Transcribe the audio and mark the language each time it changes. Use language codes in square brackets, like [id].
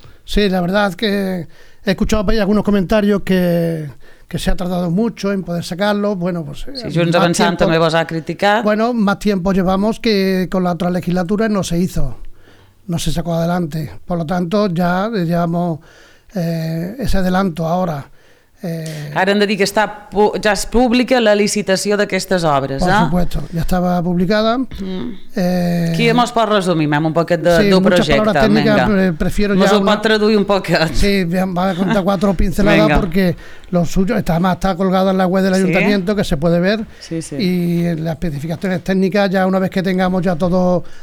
[es] Sí, la verdad es que he escuchado por ahí algunos comentarios que se ha tardado mucho en poder sacarlo. Bueno, pues [ca] si Junts Avançant també vos ha criticat. [es] Bueno, más tiempo llevamos que con la otra legislatura no se hizo, no se sacó adelante. Por lo tanto, ya llevamos ese adelanto ahora. [ca] Ara hem de dir que està, ja es publica la licitació d'aquestes obres. [es] Por supuesto, ya estaba publicada. [ca] Qui mos pot resumir, un poquet del projecte? [es] Sí, muchas palabras técnicas, prefiero ya... [ca] Mos ho pot traduir un poquet. [es] Sí, va a contar 4 pinceladas porque lo suyo, además está colgada en la web del ayuntamiento, que se puede ver, y las especificaciones técnicas, ya una vez que tengamos ya todo...